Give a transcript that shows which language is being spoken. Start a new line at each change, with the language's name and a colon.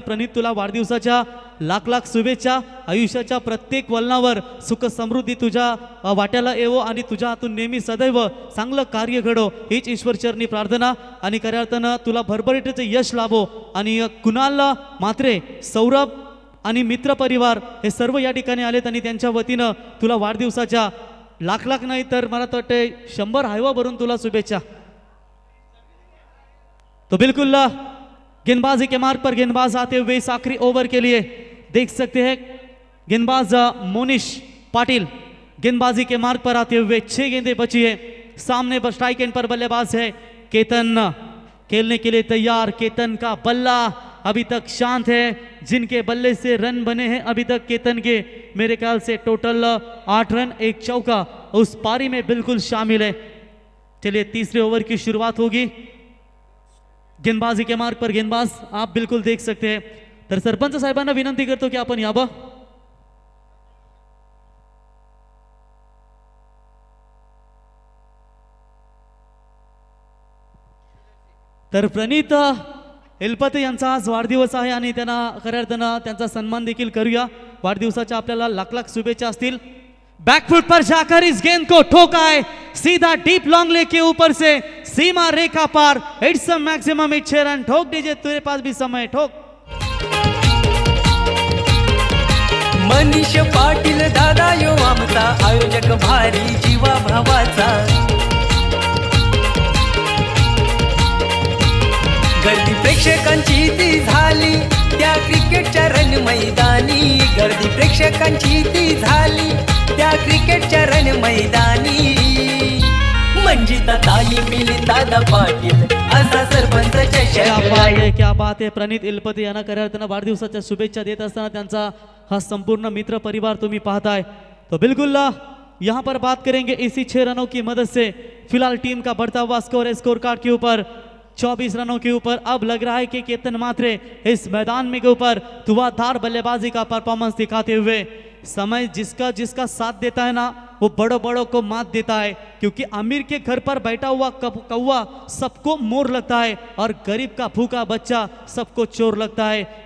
Marathi: प्रणित तुला वाढदिवसाच्या लाख लाख शुभेच्छा, आयुष्याच्या प्रत्येक वळणावर सुख समृद्धी तुझ्या वाट्याला येवो आणि तुझ्या हातून नेहमी सदैव चांगलं कार्य घडो हीच ईश्वर चरणी प्रार्थना, आणि खऱ्यार्थानं तुला भरभरीटेचं यश लाभो, आणि कुणाल मात्रे सौरभ आणि मित्र परिवार हे सर्व या ठिकाणी आलेत आणि त्यांच्या वतीनं तुला वाढदिवसाच्या लाख लाख नाही तर मला तर वाटतंय 100 हायवा भरून तुला शुभेच्छा।
Hindi: तो बिल्कुल गेंदबाजी के मार्ग पर गेंदबाज आते हुए इस आखिरी ओवर के लिए देख सकते हैं गेंदबाज मोनिश पाटिल गेंदबाजी के मार्ग पर आते हुए, छह गेंदे बची है, सामने स्ट्राइक एंड पर बल्लेबाज है केतन, खेलने के लिए तैयार। केतन का बल्ला अभी तक शांत है, जिनके बल्ले से रन बने हैं अभी तक केतन के, मेरे ख्याल से टोटल 8 रन एक चौका उस पारी में बिल्कुल शामिल है। चलिए तीसरे ओवर की शुरुआत होगी, गेंदबाजी के मार्ग पर गेंदबाज आप बिल्कुल देख सकते हैं।
Marathi: तर सरपंच साहेबांना विनंती करतो की आपण यावं, तर प्रणित इलपते यांचा आज वाढदिवस आहे आणि त्यांना खऱ्या अर्थानं त्यांचा सन्मान देखील करूया, वाढदिवसाच्या आपल्याला लाख लाख शुभेच्छा असतील।
Hindi: बॅकफुट पर जाकर इस गेंद को ठोका है सीधा डीप लॉन्ग लेग के ऊपर से सीमा रेखा पार,
English: it's a maximum
Hindi: 6 रन, ठोक दीजिए तेरे पास भी समय ठोक।
Marathi: मनीष पाटील दादा यो आमचा आयोजक भारी जीवा भावाचा, गर्दी प्रेक्षकांची ती झाली त्या क्रिकेटच्या रण मैदानी, गर्दी प्रेक्षकांची ती झाली त्या क्रिकेटच्या रण मैदानी, मंजिता ताई मिली दादा पाटील असा सरपंच चषक राहिला। क्या बात है, प्रणित इलपते यांना खऱ्या अर्थानं वाढदिवसाच्या शुभेच्छा देत असताना त्यांचा हा संपूर्ण मित्र परिवार तुम्ही पाहताय।
Hindi: तो बिल्कुल यहाँ पर बात करेंगे इसी 6 रनों की मदद से, फिलहाल टीम का बढ़ता हुआ स्कोर है स्कोर कार्ड के ऊपर 24 रनों के ऊपर। अब लग रहा है कि केतन मात्रे इस मैदान में के ऊपर धुआंधार बल्लेबाजी का परफॉर्मेंस दिखाते हुए, समय जिसका जिसका साथ देता है ना वो बड़ों बड़ों को मात देता है, क्योंकि अमीर के घर पर बैठा हुआ कौवा सबको मोर लगता है और गरीब का भूखा बच्चा सबको चोर लगता है।